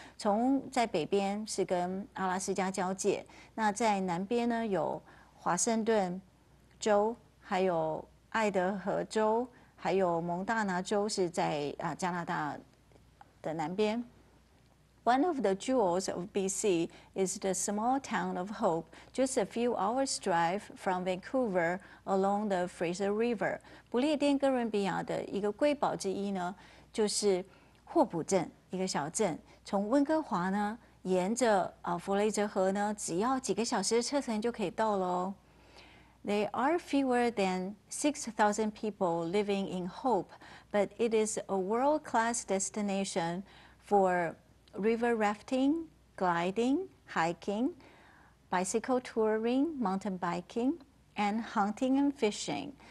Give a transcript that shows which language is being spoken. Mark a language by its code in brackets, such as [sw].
[zh] 从在北边是跟阿拉斯加交界，那在南边呢有华盛顿州，还有爱德荷州，还有蒙大拿州是在加拿大的南边。 [en] One of the jewels of BC is the small town of Hope, just a few hours' drive from Vancouver along the Fraser River. [zh] 不列颠哥伦比亚的一个瑰宝之一呢，就是霍普镇，一个小镇。从温哥华呢，沿着弗雷泽河呢，只要几个小时的车程就可以到了。 [en] There are fewer than 6,000 people living in Hope, but it is a world-class destination for...River rafting, gliding, hiking, bicycle touring, mountain biking, and hunting and fishing.